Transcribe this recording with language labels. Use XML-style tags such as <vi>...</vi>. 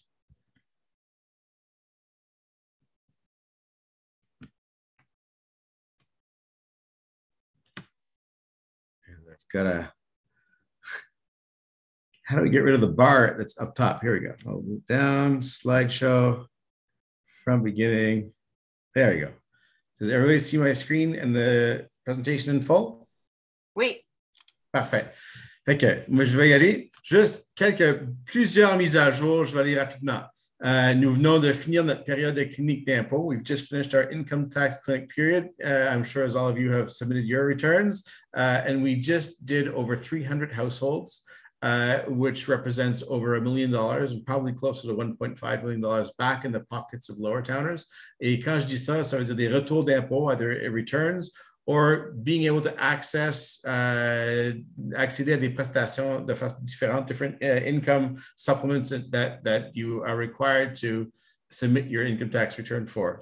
<en>And I've got a, how do we get rid of the bar that's up top? Here we go. I'll move down, slideshow from beginning. There we go. Does everybody see my screen and the presentation in full?</en> <fr>Oui. Parfait. Okay, moi je vais y aller. Juste plusieurs mises à jour, je vais aller rapidement. Nous venons de finir notre période de clinique d'impôt.</fr> <en>We've just finished our income tax clinic period. I'm sure as all of you have submitted your returns. And we just did over 300 households, which represents over $1 million and probably closer to $1.5 million back in the pockets of Lower Towners.</en> <fr>Et quand je dis ça, ça veut dire des retours d'impôt,</fr> <en>either returns, or being able to access,</en> <fr>accéder à des prestations de façon différente,</fr> <en>different income supplements that you are required to submit your income tax return for.</en>